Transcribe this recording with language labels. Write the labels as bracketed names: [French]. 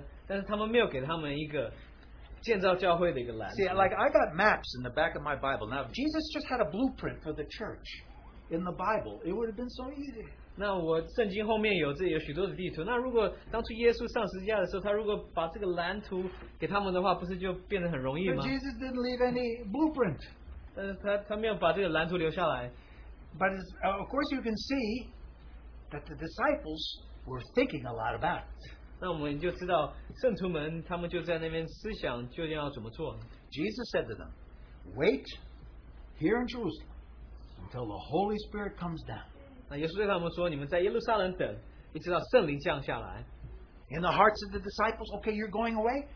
[Chinese] 耶稣离开了，上加略山，但是他们没有给他们一个。 [English] See, like I got maps in the back of my Bible. Now, if Jesus just had a blueprint for the church in the Bible, it would have been so easy. [Chinese] 那我圣经后面有许多的地图。那如果当初耶稣上十字架的时候，他如果把这个蓝图给他们的话，不是就变得很容易吗？ [English] But Jesus didn't leave any blueprint. [Chinese] 但是他没有把这个蓝图留下来。 [English] But of course, you can see that the disciples were thinking a lot about it. [Chinese] 那我们就知道圣徒们他们就在那边思想究竟要怎么做。 [English] Jesus said to them, wait here in Jerusalem until the Holy Spirit comes down. [Chinese] 那耶稣对他们说，你们在耶路撒冷等，一直到圣灵降下来。 [English] In the hearts of the disciples, okay, you're going away?